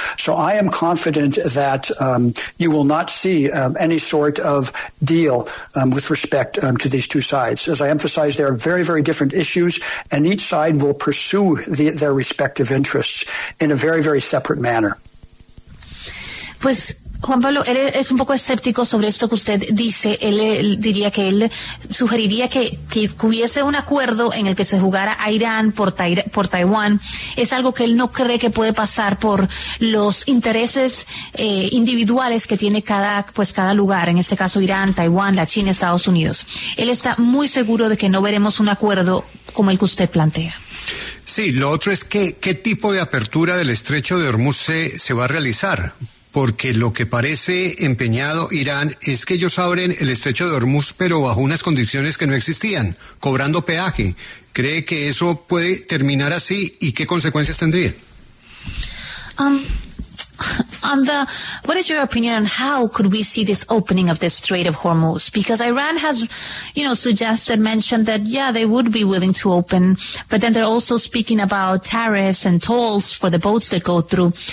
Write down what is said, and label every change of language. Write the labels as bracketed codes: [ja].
[en] So I am confident that you will not see any sort of deal with respect to these two sides. As I emphasized, there are very, very different issues, and each side will pursue their respective interests in a very, very separate manner. [es] Pues, Juan Pablo, él es un poco escéptico sobre esto que usted dice. Él diría que él sugeriría que hubiese un acuerdo en el que se jugara a Irán por Taiwán. Es algo que él no cree que puede pasar por los intereses individuales que tiene cada lugar. En este caso, Irán, Taiwán, la China, Estados Unidos. Él está muy seguro de que no veremos un acuerdo como el que usted plantea. Sí, lo otro es que qué tipo de apertura del Estrecho de Hormuz se va a realizar, porque lo que parece empeñado Irán es que ellos abren el Estrecho de Hormuz, pero bajo unas condiciones que no existían, cobrando peaje. ¿Cree que eso puede terminar así y qué consecuencias tendría? [en] What is your opinion on how could we see this opening of the Strait of Hormuz? Because Iran has, you know, mentioned that, yeah, they would be willing to open, but then they're also speaking about tariffs and tolls for the boats that go through.